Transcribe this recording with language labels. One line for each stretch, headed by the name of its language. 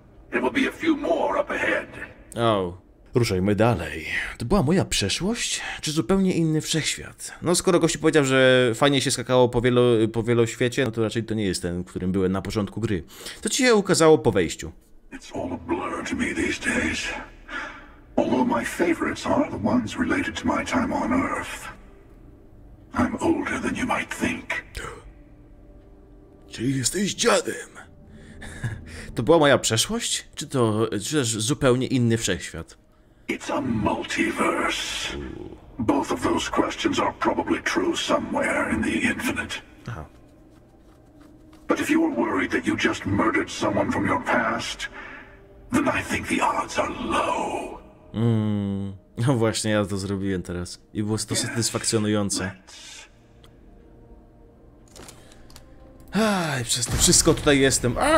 English: There will be a few more up ahead.
Polish: Oh. Ruszajmy dalej. To była moja przeszłość, czy zupełnie inny wszechświat? No skoro gość powiedział, że fajnie się skakało po wieloświecie, no to raczej to nie jest ten, w którym byłem na początku gry. To ci się ukazało po wejściu.
English: It's all a blur to me these days. Although my favorites are the ones related to my time on Earth. I'm older than you might think.
Polish: Czyli jesteś dziadem. To była moja przeszłość, czy też zupełnie inny wszechświat?
English: It's a multiverse. Both of those questions are probably true somewhere in the infinite. Aha. But if you were worried that you just murdered someone from your past, then I think the odds are low. Mm.
Polish: No właśnie, ja to zrobiłem teraz. I było to satysfakcjonujące. Aj, przez to wszystko tutaj jestem.